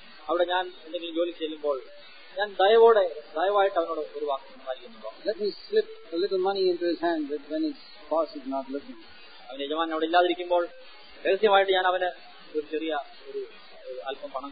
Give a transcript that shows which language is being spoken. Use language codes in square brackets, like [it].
[ml] അവിടെ ഞാൻ എന്തെങ്കിലും ജോലി ചെയ്യുമ്പോൾ ഞാൻ ദയവോടെ ദയവായിട്ട് അവനോട് ഒരു വാക്ക് സംസാരിക്കുന്നുണ്ടോ? [en] Let me slip a little money into his hand when his boss is not looking. [ml] അവന്റെ യജമാനൻ അവിടെ ഇല്ലാതിരിക്കുമ്പോൾ രഹസ്യമായിട്ട് ഞാൻ അവന് ഒരു ചെറിയ ഒരു അല്പം പണം